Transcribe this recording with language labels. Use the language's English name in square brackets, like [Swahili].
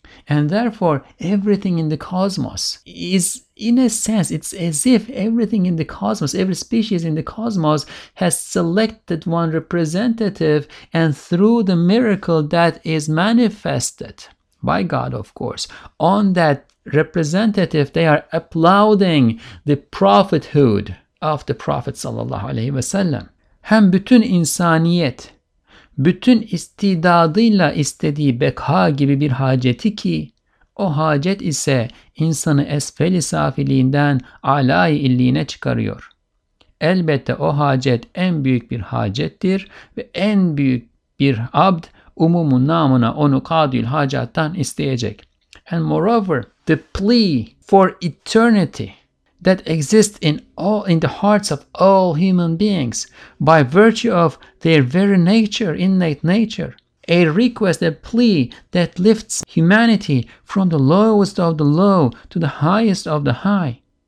[English] And therefore, everything in the cosmos is, in a sense, it's as if everything in the cosmos, every species in the cosmos has selected one representative, and through the miracle that is manifested by God, of course, on that representative, they are applauding the prophethood of the Prophet sallallahu aleyhi ve sellem. [Turkish] Hem bütün insaniyet, bütün istidadıyla istediği beka gibi bir haceti ki, o hacet ise insanı esfeli safiliğinden alâ-i illiğine çıkarıyor. Elbette o hacet en büyük bir hacettir ve en büyük bir abd umumun namına onu kadül hacattan isteyecek. [English] And moreover, the plea for eternity that exists in the hearts of all human beings by virtue of their very nature, innate nature, a request, a plea that lifts humanity from the lowest of the low to the highest of the high.